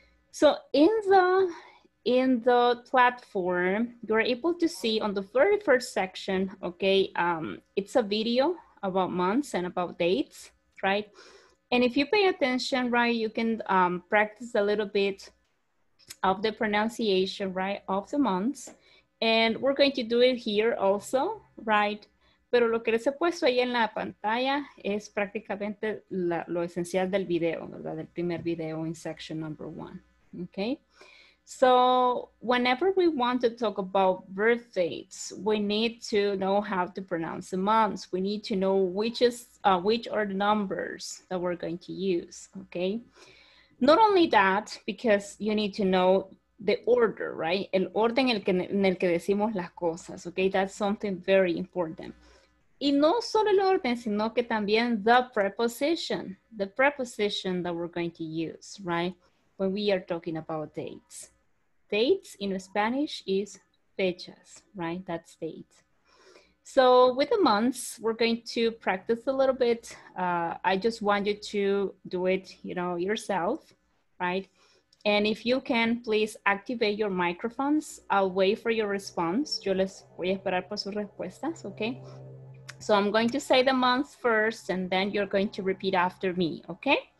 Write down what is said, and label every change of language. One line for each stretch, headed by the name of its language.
English: So in the platform, you're able to see on the very first section, okay, it's a video about months and about dates, right? And if you pay attention, right, you can practice a little bit of the pronunciation, right, of the months. And we're going to do it here also, right?
Spanish: Pero lo que les he puesto ahí en la pantalla es prácticamente lo esencial del video, ¿verdad?
English: Del primer video in section number one, okay? So whenever we want to talk about birth dates, we need to know how to pronounce the months. We need to know which are the numbers that we're going to use, okay? Not only that, because you need to know the order, right?
Spanish: El orden en el que decimos las cosas, okay?
English: That's something very important. Y no solo el orden, sino que también the preposition that we're going to use, right? When we are talking about dates. Dates in Spanish is fechas, right? That's date. So with the months, we're going to practice a little bit. I just want you to do it, you know, yourself, right? And if you can, please activate your microphones. I'll wait for your response.
Spanish: Yo les voy a esperar por sus respuestas, okay?
English: So I'm going to say the month first, and then you're going to repeat after me, okay?